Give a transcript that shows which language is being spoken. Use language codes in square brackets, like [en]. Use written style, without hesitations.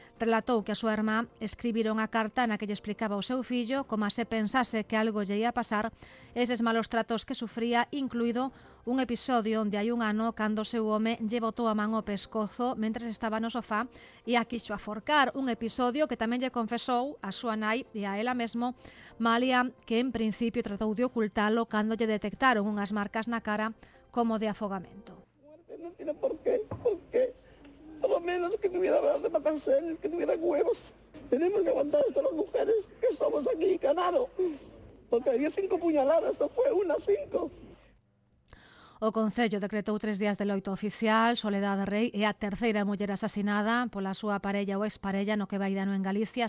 [gl] Relatou que a súa irmá escribira unha carta na que lle explicaba ao seu fillo como se pensase que algo lle ia pasar eses malos tratos que sufría, incluído un episodio onde hai un ano cando o seu home lle botou a man ao pescozo mentre estaba no sofá e a quixo aforcar. Un episodio que tamén lle confesou a súa nai e a ela mesmo, Malia, que en principio tratou de ocultalo cando lle detectaron unhas marcas na cara como de afogamento. [es] No tiene por qué, por lo menos que tuviera ganas de matarse, que tuviera huevos. Tenemos que aguantar esto las mujeres que somos aquí, ganado. Porque había 5 puñaladas, no fue una, 5. [gl] O Concello decretou 3 días de loito oficial. Soledad Rey é a terceira muller asasinada pola súa parella ou exparella no que vai de ano en Galicia.